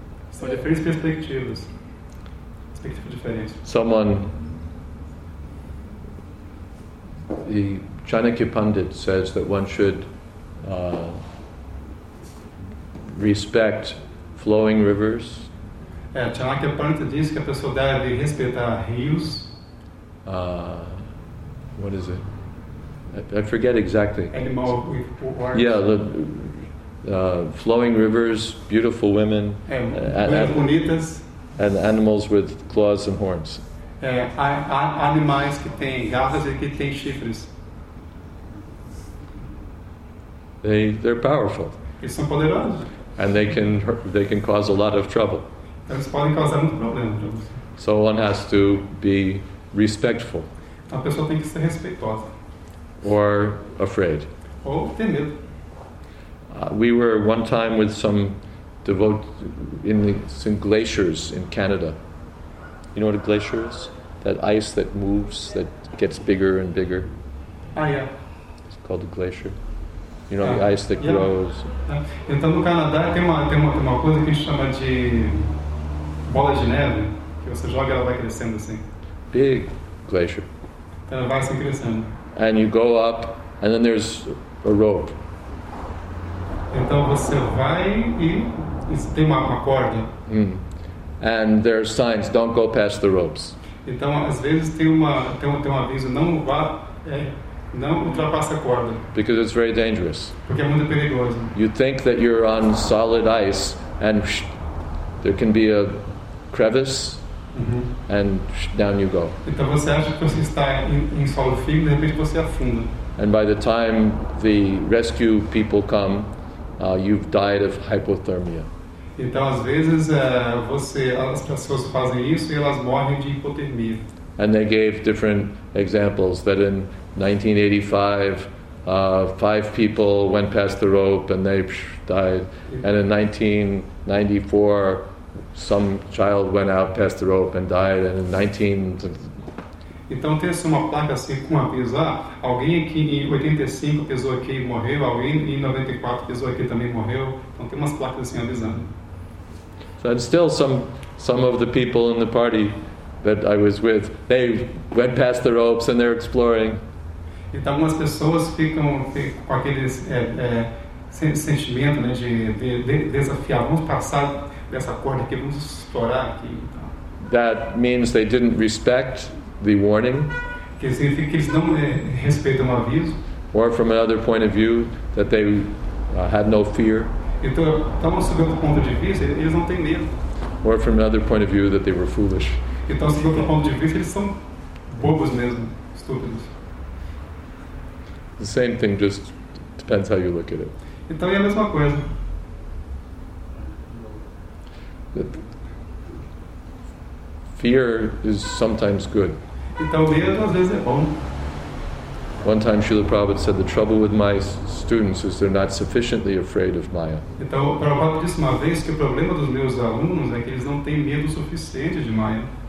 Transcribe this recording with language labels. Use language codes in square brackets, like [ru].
[pt] So diferentes perspectivas. Perspectiva diferente. [en] Someone. The Chanakya Pandit says that one should respect flowing rivers. [pt] Chanakya Pandit diz que a pessoa deve respeitar rios. [en] What is it? I forget exactly. Animal with arms. Yeah, the flowing rivers, beautiful women, [pt] bonitas. [en] And animals with claws and horns. [pt] Animais que têm garras e que têm chifres. [en] They're powerful. [pt] Eles são poderosos. [en] And they can cause a lot of trouble. [pt] Eles podem causar muito problema. [en] So one has to be respectful. [pt] A pessoa tem que ser respeitosa. [en] Or afraid. [pt] Ou ter medo. [en] We were one time with some devotees in some glaciers in Canada. You know what a glacier is? That ice that moves, that gets bigger and bigger. Yeah. It's called a glacier. You know, the ice that grows. Yeah. [pt] Então, no Canadá, tem uma coisa que a gente chama de bola de neve, que você joga e ela vai crescendo assim. [en] Big glacier. [pt] Então, ela vai se crescendo. [en] And you go up, and then there's a rope. [pt] Então, você vai e tem uma corda. [en] And there are signs, don't go past the ropes. [pt] Então, às vezes, tem um aviso, não ultrapasse a corda. [en] Because it's very dangerous. [pt] Porque é muito perigoso. [en] You think that you're on solid ice, and there can be a crevice, and down you go. [pt] Então, você acha que você está em solo firme, de repente você afunda. [en] And by the time the rescue people come, you've died of hypothermia. [pt] Então, às vezes, as pessoas fazem isso e elas morrem de hipotermia. [en] And they gave different examples that in 1985, five people went past the rope and they died. And in 1994, some child went out past the rope and died. And in 19... [pt] Então, tem uma placa assim com aviso, alguém aqui em 85 pisou aqui e morreu, alguém em 94 pisou aqui também morreu. Então, tem umas placas assim avisando. [en] And still some of the people in the party that I was with, they went past the ropes and they're exploring. [pt] Então algumas pessoas ficam com aquele sentimento, né, de desafiar, vamos passar dessa corda aqui, vamos explorar aqui. [en] That means they didn't respect the warning. [pt] que significa que eles não respeitam o aviso. [en] Or from another point of view, that they had no fear. [pt] Então, estamos sob outro ponto de vista, eles não têm medo. [en] Or from another point of view, that they were foolish. [pt] Então, sob outro ponto de vista, eles são bobos mesmo, estúpidos. [en] The same thing, just depends how you look at it. [pt] Então, é a mesma coisa. [en] Fear is sometimes good. [pt] Então, medo às vezes é bom. [en] One time Srila Prabhupada said, the trouble with my students is they're not sufficiently afraid of Maya. [pt] Então, o Prabhupada disse uma vez que o problema dos meus alunos é que eles não têm medo suficiente de Maya.